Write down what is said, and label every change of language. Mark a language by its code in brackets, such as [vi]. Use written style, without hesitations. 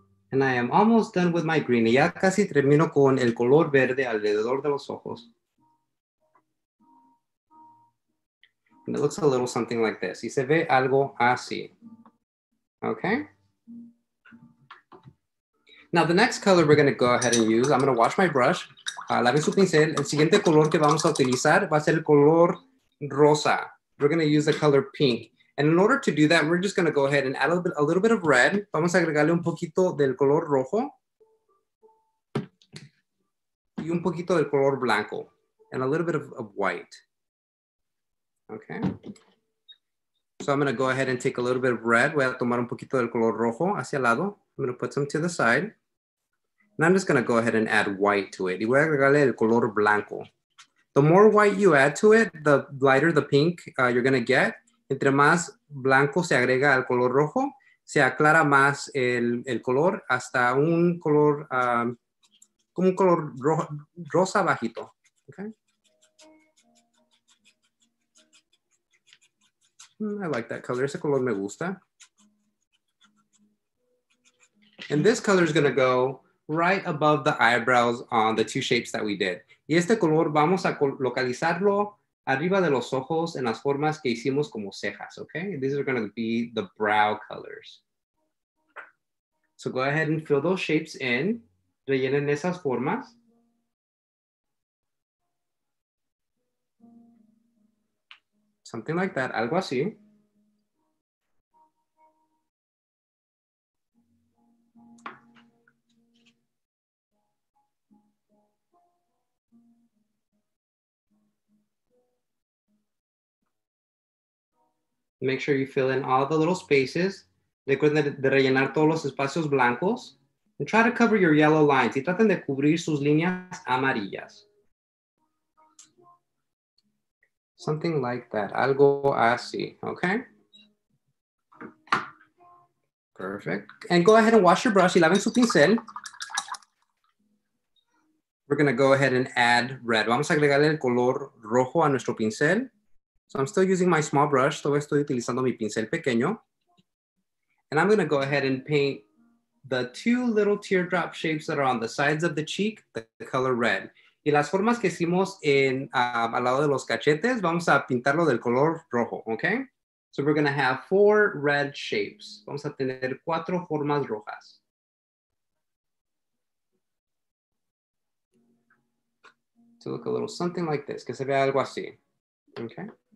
[en] And I am almost done with my green. [es] Ya casi termino con el color verde alrededor de los ojos. [en] And it looks a little something like this. [es] Y se ve algo así. [en] Okay. Now the next color we're going to go ahead and use, I'm going to wash my brush. [es] Lave su pincel. El siguiente color que vamos a utilizar va a ser el color rosa. [en] We're going to use the color pink. And in order to do that, we're just gonna go ahead and add a little bit of red. [es] Vamos a agregarle un poquito del color rojo. Y un poquito del color blanco. [en] And a little bit of white. Okay. So I'm gonna go ahead and take a little bit of red. [es] Voy a tomar un poquito del color rojo hacia el lado. [en] I'm gonna put some to the side. And I'm just gonna go ahead and add white to it. [es] Y voy a agregarle el color blanco. [en] The more white you add to it, the lighter the pink you're gonna get. [es] Entre más blanco se agrega al color rojo, se aclara más el color hasta un color, como un color rosa bajito. [en] Okay. I like that color, [es] ese color me gusta. [en] And this color is gonna go right above the eyebrows on the two shapes that we did. [es] Y este color vamos a localizarlo arriba de los ojos en las formas que hicimos como cejas, okay? [en] These are gonna be the brow colors. So go ahead and fill those shapes in. [es] Rellenen esas formas. [en] Something like that, [es] algo así. [en] Make sure you fill in all the little spaces. [es] Recuerden de rellenar todos los espacios blancos. [en] And try to cover your yellow lines. [es] Y traten de cubrir sus líneas amarillas. [en] Something like that. [es] Algo así. [en] Okay? Perfect. And go ahead and wash your brush. [es] Y laven su pincel. [en] We're going to go ahead and add red. [es] Vamos a agregarle el color rojo a nuestro pincel. [en] So I'm still using my small brush. [es] Todavía estoy utilizando mi pincel pequeño. [en] And I'm going to go ahead and paint the two little teardrop shapes that are on the sides of the cheek, the color red. [es] Y las formas que hicimos en al lado de los cachetes, vamos a pintarlo del color rojo, okay? [en] So we're going to have four red shapes. [es] Vamos a tener cuatro formas rojas. [en] To look a little something like this, [es] que se vea algo así, [en] okay?